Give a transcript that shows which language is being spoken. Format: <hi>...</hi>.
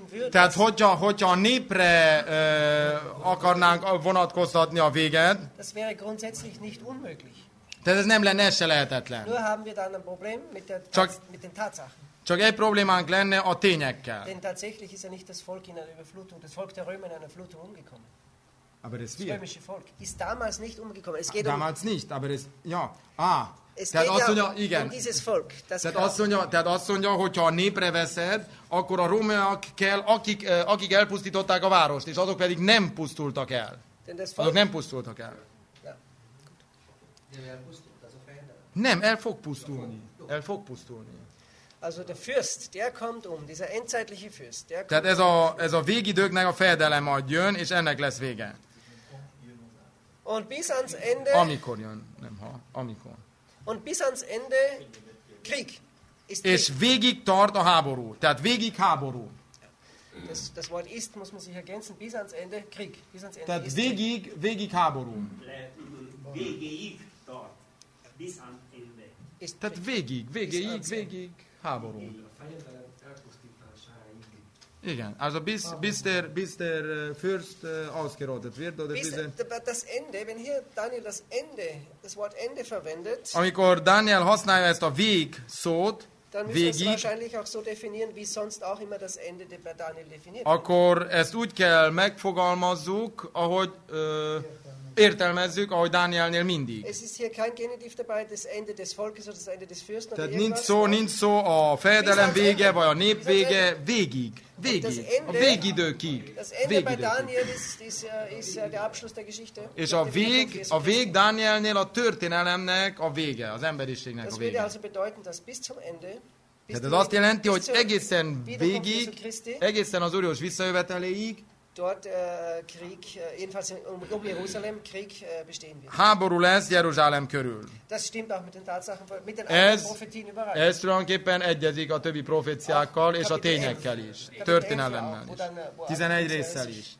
<hu>Tehát hogyha a népre akarnánk vonatkoztatni a véget,</hu> <de>das wäre grundsätzlich nicht unmöglich.</de> <hu>Tehát ez nem lenne, ez se lehetetlen.</hu> <de>Nur haben wir dann ein Problem mit der mit den Tatsachen.</de> <hu>Csak egy problémánk lenne a tényekkel.</hu> <de>Denn tatsächlich ist ja nicht das Volk in einer Überflutung, das Volk der Römer in einer Flutung umgekommen. Aber das römische Volk ist damals nicht umgekommen. Es geht damals nicht, aber es ja. Es geht</de> <hu>azt mondja,</hu> <de>ja</de> <hu>igen.</hu> <de>Dieses Volk, das</de> <hu>tehát azt mondja, hogyha a népre veszed, akkor a rómaiak kell, akik elpusztították a várost, és azok pedig nem pusztultak el. Azok nem pusztultak el. Nem, el fog pusztulni. El fog pusztulni.</hu> <de>Also der Fürst, der kommt dieser endzeitliche Fürst, der kommt.</de> <hu>Tehát ez a végidőknek a fejedelem majd jön, és ennek lesz vége.</hu> <de>Und bis ans Ende.</de> <hu>Amikor jön, nem ha, amikor.</hu> <de>Und bis ans Ende Krieg.</de> <hu>És végig tart a háború. Tehát végig háború.</hu> <de>Das Wort ist, muss man sich ergänzen, bis ans Ende Krieg. Bis ans Ende</de> <hu>tehát végig, végig háború. Végig tart.</hu> <de>Bis ans Ende. Ist</de> <hu>tehát végig, végig, végig. Háború. Igen,</hu> <de>also bis der Fürst ausgerottet wird oder bis das Ende, wenn hier Daniel das Wort Ende verwendet.</de> <hu>Amikor Daniel használja ezt a vég szót,</hu> <de>dann müssen wir es wahrscheinlich auch so definieren, wie sonst auch immer das Ende bei Daniel definiert.</de> <hu>Akkor ezt úgy kell megfogalmazzuk, ahogy értelmezzük, ahogy Dánielnél mindig.</hu> <de>Es ist hier kein Genitiv dabei, das Ende des Volkes oder das Ende des Fürsten.</de> <hu>Tehát nincs szó a fejedelem vége, vagy a nép vége, végig. A végidőkig.</hu> <de>Das Ende bei Daniel ist der Abschluss der Geschichte.</de> <hu>És a vég Dánielnél a történelemnek a vége, az emberiségnek a vége.</hu> <de>Das würde also bedeuten, dass bis zum Ende.</de> <hu>Tehát ez azt jelenti, hogy egészen végig, egészen az Úrjós visszajöveteléig,</hu> <de>dort Krieg, jedenfalls um Jerusalem Krieg bestehen wird.</de> <hu>Háború lesz Jeruzsálem körül.</hu> <de>Das stimmt auch mit den Tatsachen, mit den anderen Prophetien überall.</de> <hu>Ez tulajdonképpen egyezik a többi proféciákkal és a tényekkel is, történelemmel is, 11 résszel is.</hu>